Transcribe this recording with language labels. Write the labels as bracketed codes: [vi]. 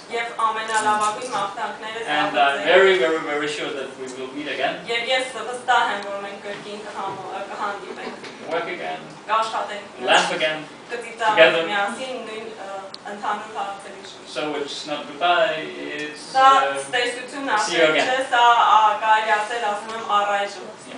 [hy] Եվ ամենալավագույն մաղթանքներս [en] And I'm very, very, very sure that we will meet again. [hy] Եվ ես վստահ եմ, որ մենք կրկին կհանդիպենք. [en] Work again. [hy] Կաշխատենք. [en] Laugh again. [hy] Կտիտանք միասին նույն ընդհանուր հարցերի շուրջ. [en] So it's not goodbye, it's... [hy] Սա ստեսություն ասել, չէ, սա կարելի ասել, ասում եմ առայժմ.